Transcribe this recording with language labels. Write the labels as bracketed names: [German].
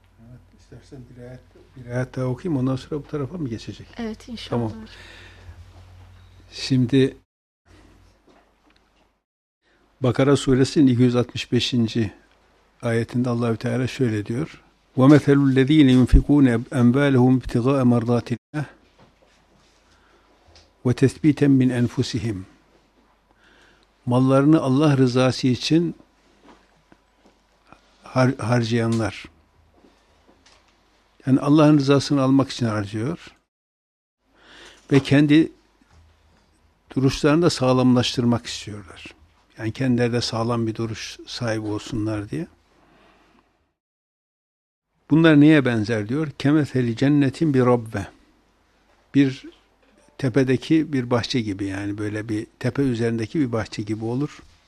[Turkish] Evet, istersen bir ayet daha okuyayım, ondan sonra bu tarafa mı geçecek? Evet, inşallah. Tamam. Şimdi Bakara suresinin 265. ayetinde Allahü Teala şöyle diyor. [Arabic] وَمَثَلُ الَّذ۪ينَ يُنْفِقُونَ اَنْبَالَهُمْ اِبْتِغَاءَ مَرْضَاتِ اللّٰهِ وَتَثْب۪يتًا مِنْ اَنْفُسِهِمْ [Turkish] Mallarını Allah rızası için harcayanlar. Yani Allah'ın rızasını almak için harcıyor. Ve kendi duruşlarını da sağlamlaştırmak istiyorlar. Yani kendileri de sağlam bir duruş sahibi olsunlar diye. Bunlar neye benzer diyor? [Arabic] Kemetheli cennetin bir rabbe. [Turkish] Bir tepedeki bir bahçe gibi, yani böyle bir tepe üzerindeki bir bahçe gibi olur.